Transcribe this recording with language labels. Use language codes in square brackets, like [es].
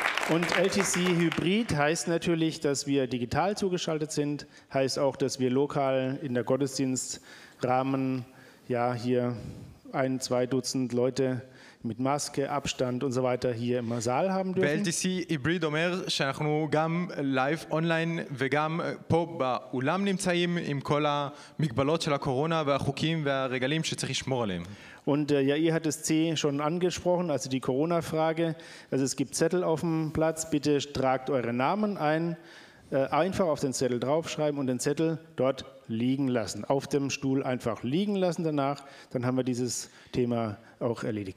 [de] Und LTC Hybrid heißt natürlich, dass wir digital zugeschaltet sind, heißt auch, dass wir lokal in der Gottesdienstrahmen ja hier ein, zwei Dutzend Leute mit Maske, Abstand und so weiter hier im Saal haben dürfen. [he] LTC Hybrid אומר שאנחנו גם live online וגם פה באולם נמצאים עם כל המגבלות של הקורונה והחוקים והרגלים שצריך לשמור עליהם. [de] Und Jair hat das C schon angesprochen, also die Corona-Frage. Also es gibt Zettel auf dem Platz, bitte tragt eure Namen ein, einfach auf den Zettel draufschreiben und den Zettel dort liegen lassen. Auf dem Stuhl einfach liegen lassen danach, dann haben wir dieses Thema auch erledigt.